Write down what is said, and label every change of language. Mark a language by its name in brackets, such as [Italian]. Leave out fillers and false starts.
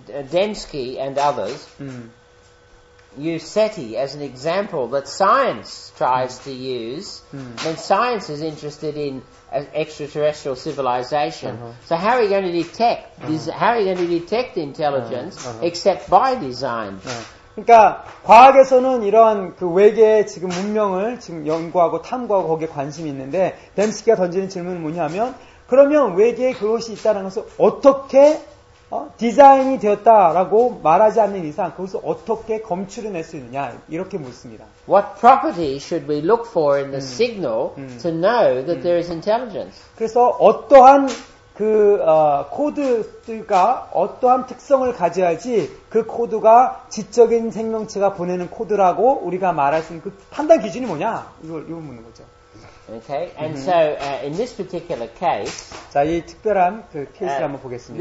[English] Dembski and others use SETI as an example that science tries to use when science is interested in extraterrestrial civilization. Uh-huh. So how are you going to detect? How are you going to detect intelligence except by design? [Korean] 그러니까 과학에서는 이러한 그 외계의 지금 문명을 지금 연구하고 탐구하고 거기에 관심이 있는데 Dembski가 던지는 질문은 뭐냐면 그러면 외계에 그것이 있다는 것을 어떻게 디자인이 되었다라고 말하지 않는 이상 그것을 어떻게 검출을 낼 수 있느냐 이렇게 묻습니다. [English] What property should we look for in the signal to know that there is intelligence? [Korean] 그래서 어떠한 그 코드가 어떠한 특성을 가져야지 그 코드가 지적인 생명체가 보내는 코드라고 우리가 말할 수 있는 그 판단 기준이 뭐냐 이걸 묻는 거죠. [English] Okay, and so in this particular case, [Korean] 자, 이 특별한 그 케이스를 한번 보겠습니다.